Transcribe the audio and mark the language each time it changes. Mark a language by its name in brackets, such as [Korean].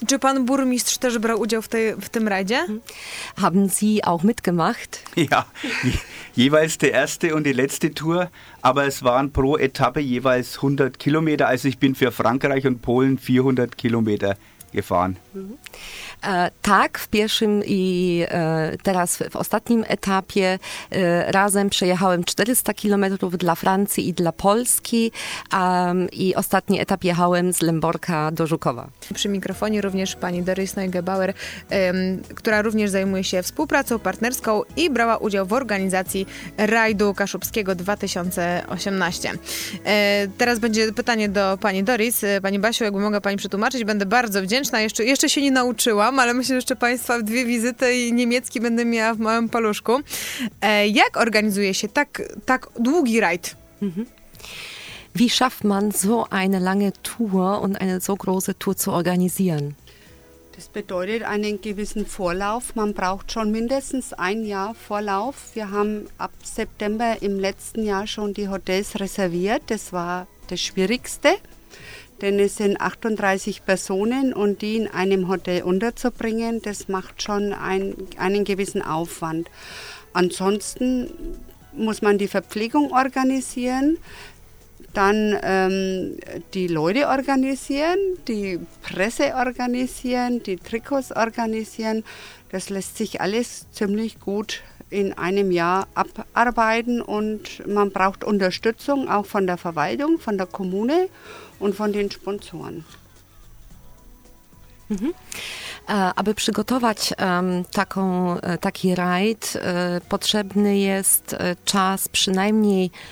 [Polish] Czy pan burmistrz też brał udział w tym rajdzie? [German] Haben Sie auch mitgemacht? Ja, jeweils die erste und die letzte Tour, aber es waren pro Etappe jeweils 100 Kilometer, also ich bin für Frankreich und Polen 400 Kilometer gefahren. [Polish] Tak, w pierwszym i teraz w ostatnim etapie razem przejechałem 400 kilometrów dla Francji i dla Polski i ostatni etap jechałem z Lęborka do Żukowa. Przy mikrofonie również pani Doris Neugebauer, która również zajmuje się współpracą partnerską i brała udział w organizacji rajdu kaszubskiego 2018. Teraz będzie pytanie do pani Doris. Pani Basiu, jakby mogła pani przetłumaczyć, będę bardzo wdzięczna. Jeszcze się nie nauczyłam, ale myślę, że jeszcze państwa 2 wizyty i niemiecki będę miała w małym paluszku. Jak organizuje się tak długi rajd? [German] Wie schafft man so eine lange Tour und eine so große Tour zu organisieren? Das bedeutet einen gewissen Vorlauf. Man braucht schon mindestens 1 Jahr Vorlauf. Wir haben ab September im letzten Jahr schon die Hotels reserviert. Das war das Schwierigste. Denn es sind 38 Personen und die in einem Hotel unterzubringen, das macht schon einen gewissen Aufwand. Ansonsten muss man die Verpflegung organisieren, dann die Leute organisieren, die Presse organisieren, die Trikots organisieren. Das lässt sich alles ziemlich gut in einem Jahr abarbeiten und man braucht Unterstützung auch von der Verwaltung, von der Kommune und von den Sponsoren. [Polish] Aby przygotować taki rajd, potrzebny jest czas przynajmniej